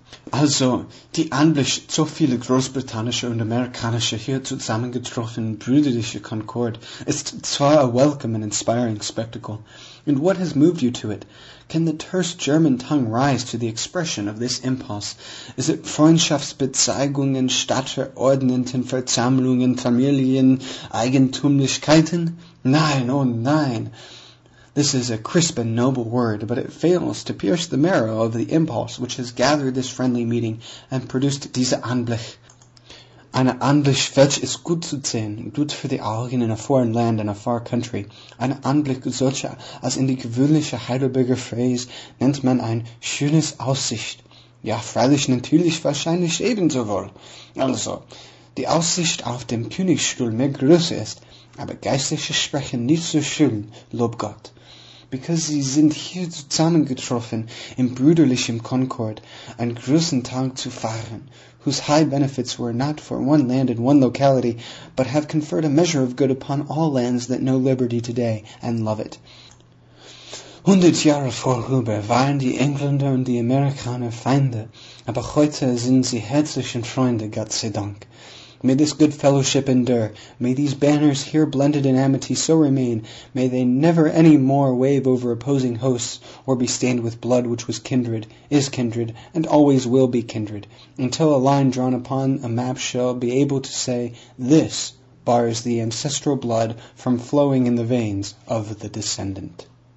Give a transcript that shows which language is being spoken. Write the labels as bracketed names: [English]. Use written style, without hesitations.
[German] Also, die anblich so viele großbritannische und amerikanische hier zusammengetroffen brüderliche Concord ist zwar [English] a welcome and inspiring spectacle. And what has moved you to it? Can the terse German tongue rise to the expression of this impulse? Is it [German] Freundschaftsbezeigungen statt verordneten Versammlungen Familien Eigentumlichkeiten? Nein, oh nein! [English] This is a crisp and noble word, but it fails to pierce the marrow of the impulse which has gathered this friendly meeting and produced [German] diese Anblick. Eine Anblick welch ist gut zu sehen, gut für die Augen [English] in a foreign land and a far country. [German] Eine Anblick solcher, als in die gewöhnliche Heidelberger Phrase, nennt man ein schönes Aussicht. Ja, freilich, natürlich, wahrscheinlich ebenso wohl. Also, die Aussicht auf dem Königsstuhl mehr Größe ist, aber geistliche sprechen nicht so schön, lob Gott. [English] Because [German] sie sind hier zusammengetroffen, im brüderlichem Concord, einen großen Tag zu fahren, [English] whose high benefits were not for one land and one locality, but have conferred a measure of good upon all lands that know liberty today, and love it. [German] 100 Jahre vorüber waren die Engländer und die Amerikaner Feinde, aber heute sind sie herzlichen Freunde, Gott sei Dank. [English] May this good fellowship endure, may these banners here blended in amity so remain, may they never any more wave over opposing hosts, or be stained with blood which was kindred, is kindred, and always will be kindred, until a line drawn upon a map shall be able to say, this bars the ancestral blood from flowing in the veins of the descendant.